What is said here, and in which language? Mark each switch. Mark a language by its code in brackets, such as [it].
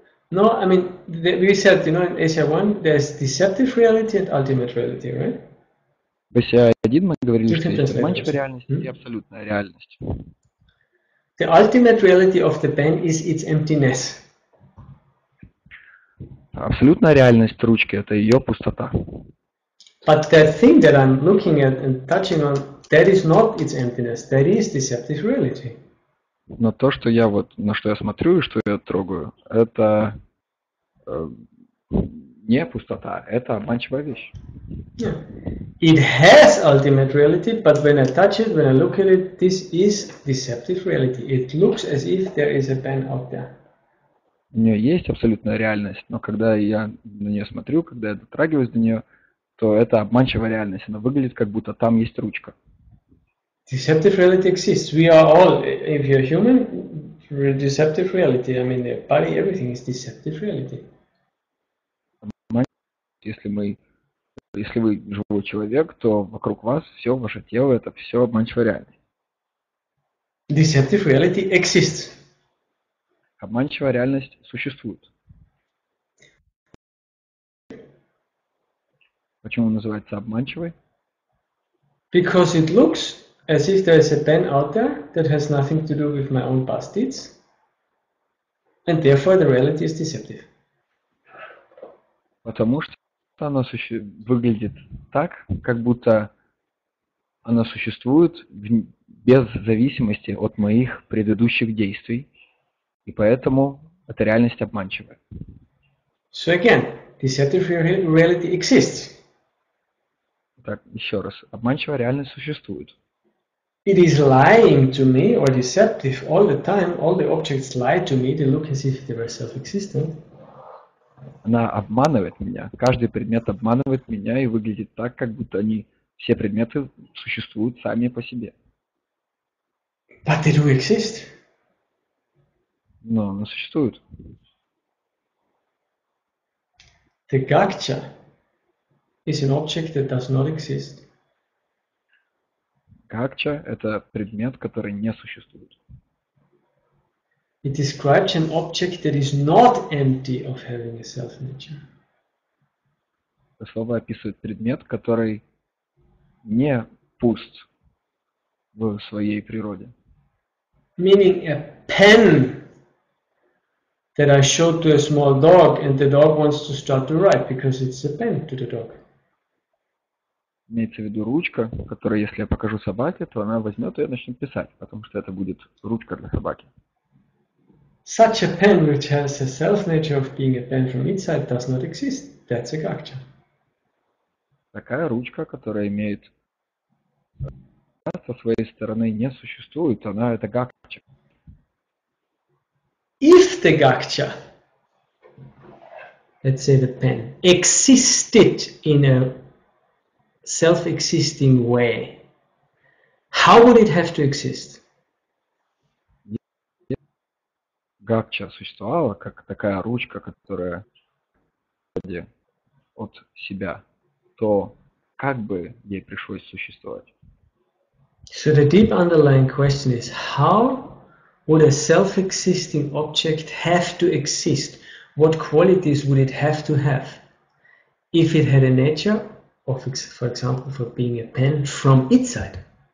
[en] No, I mean, we said, you know, in Asia 1, there's deceptive reality and ultimate reality, right? [ru] В Асия-1 мы говорили, что есть обманчивая реальность и абсолютная реальность. [en] The ultimate reality of the pen is its emptiness. [ru] Абсолютная реальность ручки – это ее пустота. [en] But the thing that I'm looking at and touching on, that is not its emptiness, that is deceptive reality. [ru] Но то, что я вот, на что я смотрю и что я трогаю, это не пустота, это обманчивая вещь. [en] Yeah. It has ultimate reality, but when I touch it, when I look at it, this is deceptive reality. It looks as if there is a pen out there. [ru] У нее есть абсолютная реальность, но когда я на нее смотрю, когда я дотрагиваюсь до нее, то это обманчивая реальность. Она выглядит, как будто там есть ручка. [en] Deceptive reality exists. We are all, if you're human, deceptive reality. I mean, the body, everything is deceptive reality. [ru] Если вы живой человек, то вокруг вас все, ваше тело, это все обманчивая реальность. [en] Deceptive reality exists. [ru] Обманчивая реальность существует. Почему называется обманчивой? [en] Because it looks as if there is a pen out there that has nothing to do with my own past deeds, and therefore the reality is deceptive. [ru] Потому что она выглядит так, как будто она существует без зависимости от моих предыдущих действий. И поэтому эта реальность обманчивая. [en] So again, deceptive reality exists. [ru] Так, еще раз. Обманчивая реальность существует. [en] It is lying to me or deceptive all the time. All the objects lie to me. They look as if they were self-existent. [ru] Она обманывает меня. Каждый предмет обманывает меня и выглядит так, как будто они все предметы существуют сами по себе. [en] But they do exist. [ru] Но они существуют. [en] The gaksha is an object that does not exist. [ru] Gaksha – это предмет, который не существует. [en] It describes an object that is not empty of having a self nature. [ru] Это слово описывает предмет, который не пуст в своей природе. [en] Meaning a pen that I showed to a small dog, and the dog wants to start to write because it's a pen to the dog. [ru] имеется в виду ручка, которая, если я покажу собаке, то она возьмет ее и начнет писать, потому что это будет ручка для собаки. [en] Such a pen, which has a self-nature of being a pen from inside, does not exist. That's a gacha. [ru] Такая ручка, которая имеет со своей стороны не существует, она это гакча. [en] If the gacha, let's say the pen, existed in a self-existing way, how would it have to exist? [ru] Гакча существовала как такая ручка, которая от себя, то как бы ей пришлось существовать? [en] So the deep underlying question is, how would a self-existing object have to exist? What qualities would it have to have if it had a nature of, for example, for being a pen from its side?